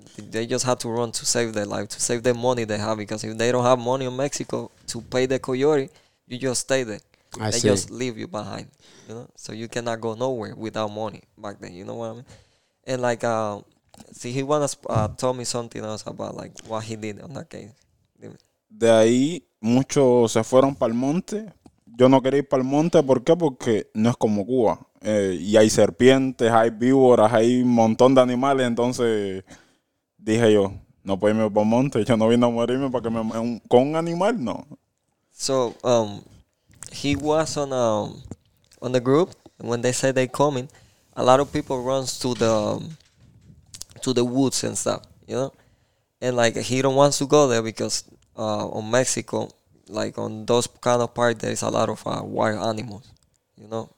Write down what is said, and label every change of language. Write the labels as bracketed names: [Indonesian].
[English] They just had to run to save their life, to save the money they have. Because if they don't have money in Mexico to pay the coyote, you just stay there. They just leave you behind, you know? So you cannot go nowhere without money back then. You know what I mean? And like, see, he wanna tell me something else about like what he did on that case. [Spanish] Dime. De ahí muchos se fueron para el monte. Yo no quería ir para el monte, ¿por qué? Porque no es como Cuba. Y hay serpientes, hay víboras, hay un montón de animales. Entonces dije yo, no puedo irme para el monte. Yo no vine a morirme para que me con un animal, no. [English] So he was on the group when they said they coming. A lot of people runs to the woods and stuff, you know? And, like, he don't want to go there because on Mexico, like, on those kind of parts, there's a lot of wild animals, you know?